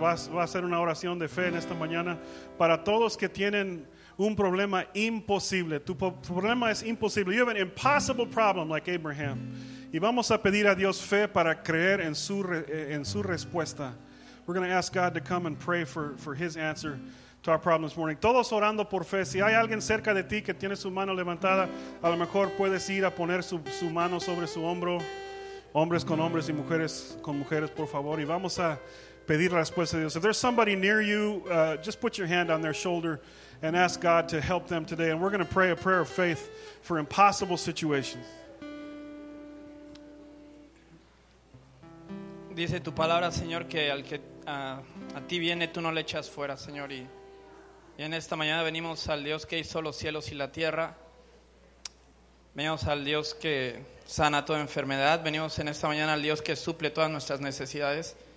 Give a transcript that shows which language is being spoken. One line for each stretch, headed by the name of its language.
Spanish: Va a ser una oración de fe en esta mañana para todos que tienen un problema imposible. Tu problema es imposible.
English: You have an impossible problem like Abraham.
Spanish: Y vamos a pedir a Dios fe para creer en su respuesta.
English: We're going to ask God to come and pray for his answer to our problem this morning.
Spanish: Todos orando por fe. Si hay alguien cerca de ti que tiene su mano levantada, a lo mejor puedes ir a poner su mano sobre su hombro. Hombres con hombres y mujeres con mujeres, por favor. Y vamos a pedir la respuesta de Dios.
English: If there's somebody near you, just put your hand on their shoulder and ask God to help them today. And we're going to pray a prayer of faith for impossible situations.
Spanish: Dice tu palabra, Señor, que al que a ti viene, tú no le echas fuera, Señor. Y en esta mañana venimos al Dios que hizo los cielos y la tierra. Venimos al Dios que sana toda enfermedad. Venimos en esta mañana al Dios que suple todas nuestras necesidades.